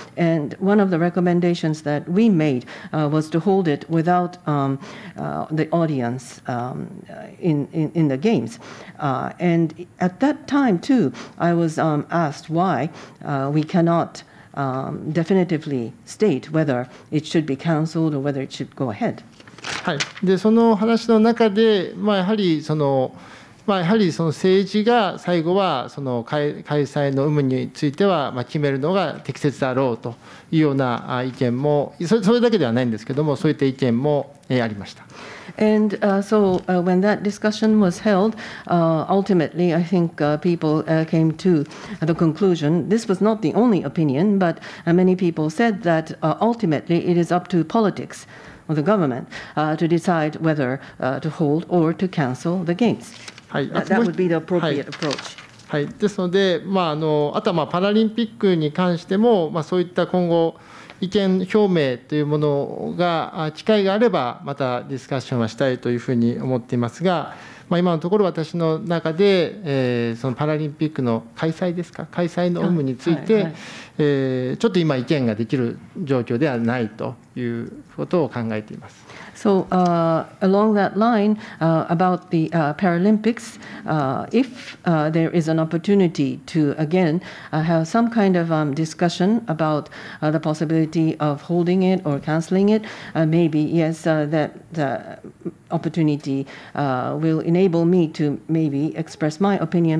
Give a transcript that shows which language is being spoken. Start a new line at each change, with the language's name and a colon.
English: And one of the recommendations that we made was to hold it without the audience in the games. And at that time, too, I was asked why we cannot definitively state whether it should be cancelled or whether it should go ahead.
Japanese: はい。で、その話の中で、まあ、やはりその、まあ、やはりその政治が最後はその開催の有無については、まあ、決めるのが適切だろうというような意見も、それだけではないんですけども、そういった意見もありました。
English: And so when that discussion was held, ultimately, I think people came to the conclusion. This was not the only opinion, but many people said that ultimately it is up to politics or the government to decide whether to hold or to cancel the games. That would be the appropriate approach.
Japanese: はい。ですので、まあ、あとはまあパラリンピックに関しても、まあ、そういった今後意見表明というものが機会があればまたディスカッションはしたいというふうに思っていますが、まあ、今のところ私の中で、そのパラリンピックの開催ですか、開催の有無について、はいはい、ちょっと今意見ができる状況ではないということを考えています。
English: So along that line about the Paralympics, if there is an opportunity to again have some kind of discussion about the possibility of holding it or cancelling it, maybe yes, that the opportunity will enable me to maybe express my opinion.